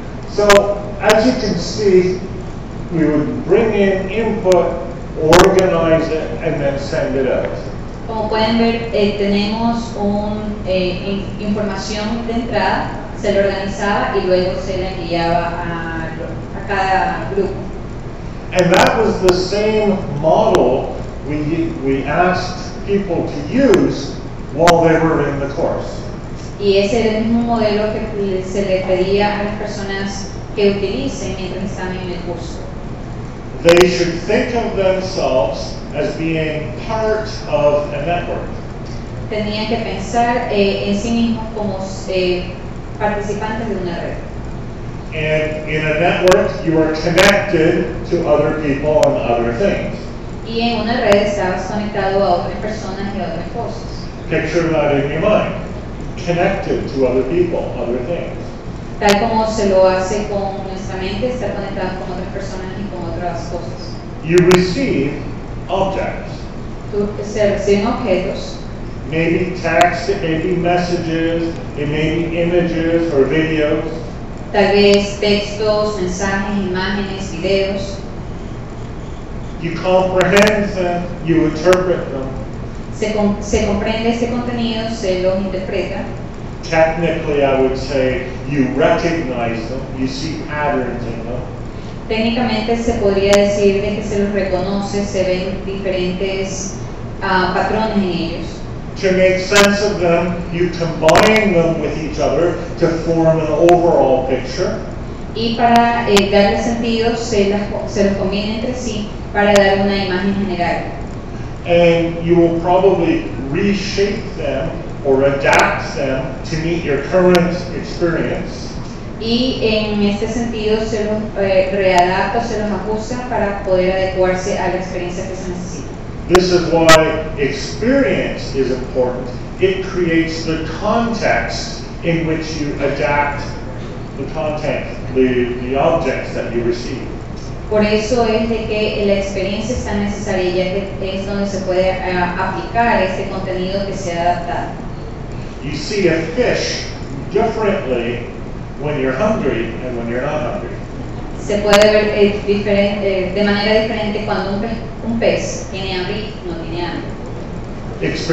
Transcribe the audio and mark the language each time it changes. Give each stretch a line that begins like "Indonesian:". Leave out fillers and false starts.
English: So, as you can see, we would bring in input, organize it, and then send it out.
Spanish: Como pueden ver, tenemos información de entrada, se la organizaba y luego se la enviaba a cada grupo.
English: And that was the same model we asked people to use while they were in the course.
Spanish: Y ese es el mismo modelo que se le pedía a las personas que utilicen mientras están en el curso.
English: They should think of themselves as being part of a network.
Spanish: Tenían que pensar en sí mismos como participantes de una red.
English: And in a network, you are connected to other people and other things.
Spanish: Y en una red estabas conectado a otras personas y a otras cosas.
English: Picture that in your mind. Connected to other people, other things.
Spanish: Tal como se lo hace con nuestra mente, estar conectado con otras personas y con otras cosas.
English: You receive objects.
Spanish: Tú recibes objetos.
English: Maybe text, it may be messages, it may be images or videos.
Spanish: Tal vez textos, mensajes, imágenes, videos.
English: You comprehend them, you interpret them.
Spanish: Se comprende este contenido, se los interpreta.
English: Technically, I would say you recognize them, you see patterns in them.
Spanish: Técnicamente se podría decir de que se los reconoce, se ven diferentes patrones en ellos.
English: To make sense of them, you combine them with each other to form an overall picture.
Spanish: Y para darle sentido, se los combina entre sí para dar una imagen general.
English: And you will probably reshape them or adapt them to meet your current experience.
Spanish: Y en este sentido, se los readapta, se los ajusta para poder adecuarse a la experiencia que se necesita.
English: This is why experience is important. It creates the context in which you adapt the content, the objects that you receive.
Spanish: Por eso es de que la experiencia es tan necesaria, ya que es donde se puede aplicar este contenido que se ha adaptado.
English: You see a fish differently when you're hungry and when you're not hungry.
Spanish: Se puede ver de manera diferente cuando un pez tiene hambre y no tiene hambre.